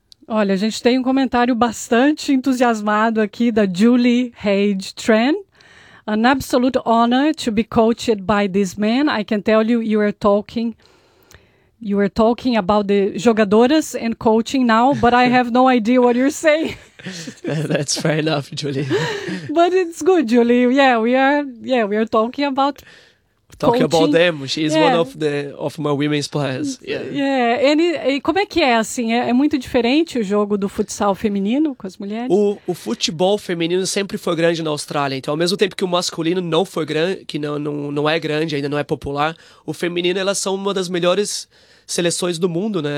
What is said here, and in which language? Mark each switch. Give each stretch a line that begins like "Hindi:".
Portuguese: Olha, a gente tem um comentário bastante entusiasmado aqui da Julie Hage Tran.
English: An absolute honor to be coached by this man. I can tell you, you are talking about the jogadoras and coaching now, but I have no idea what you're saying. That's fair enough, Julie. But it's good, Julie. Yeah, we are talking about coaching. Talking about them. She's one of the of my women's players. Yeah.
Portuguese: E como é que é assim? É muito diferente o jogo do futsal feminino com as mulheres? O futebol feminino sempre foi grande na Austrália. Então, ao mesmo tempo que o masculino não foi grande, que não é grande, ainda não é popular, o feminino, elas são uma das melhores seleções do mundo, né?